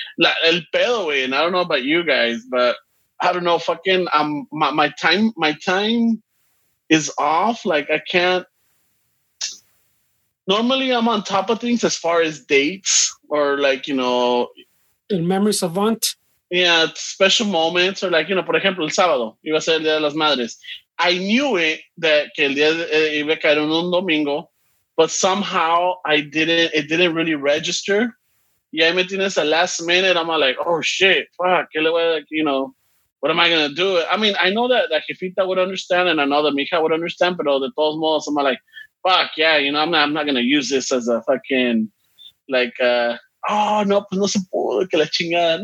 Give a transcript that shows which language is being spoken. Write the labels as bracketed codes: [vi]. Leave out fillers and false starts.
[es] El pedo, güey, [en] and I don't know about you guys, but I don't know, fucking my time is off. Like I can't normally I'm on top of things as far as dates or like, you know, in memories of aunt. Yeah, special moments or like, you know, [es] por ejemplo, el sábado iba a ser el Día de las Madres. [en] I knew it that [es] que el día de, iba a caer en un domingo, [en] but somehow I didn't, it didn't really register. [es] Y ahí me tienes a [en] last minute, I'm like, oh shit, fuck, [es] que le voy a, [en] like, you know, what am I going to do? I mean, I know that Jefita would understand and I know that Mija would understand, [es] pero de todos modos, [en] I'm like, fuck, yeah, you know, I'm not going to use this as a fucking, like, oh, no, [es] pues no se pudo, que la chingada.